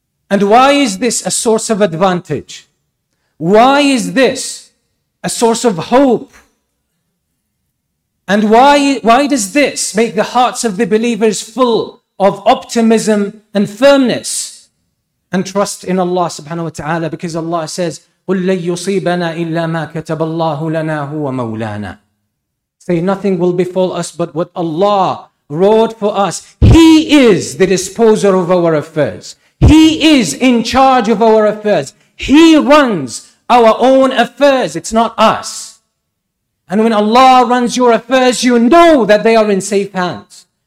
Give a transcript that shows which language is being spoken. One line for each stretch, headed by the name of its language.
English: And why is this a source of advantage? Why is this a source of hope? And why does this make the hearts of the believers full of optimism and firmness and trust in Allah subhanahu wa ta'ala? Because Allah says,
Arabic: قُلْ لَنْ يُصِيبَنَا إِلَّا مَا كَتَبَ اللَّهُ لَنَا هُوَ مَوْلَانَا.
English: Say, nothing will befall us but what Allah wrote for us. He is the disposer of our affairs. He is in charge of our affairs. He runs our own affairs. It's not us. And when Allah runs your affairs, you know that they are in safe hands.